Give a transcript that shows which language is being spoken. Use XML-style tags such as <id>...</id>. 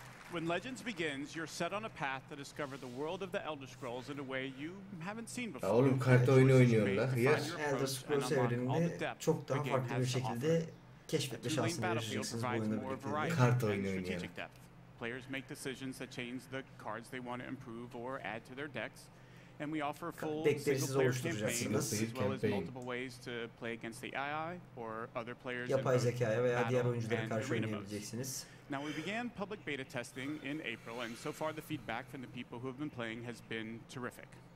<en>When Legends begins, you're set on a path to discover the world of the Elder Scrolls in a way you haven't seen before.</en> <tr>Oğlum kart oyunu oynuyorlar. Yer Elder Scrolls evreninde çok daha farklı bir şekilde keşfetme şansını vereceksiniz bu oyunu birlikte. Kart oyunu oynuyorlar.</tr> <en>Players make decisions that change the cards they want to improve or add to their decks. And we offer full single-player campaigns as well as multiple ways to play against the AI or other players in</en> <tr>yapay zekaya veya diğer oyunculara karşı oynayabileceksiniz.</tr> <en>Now we began public beta testing in April, and so far the feedback from the people who have been playing has been terrific.</en>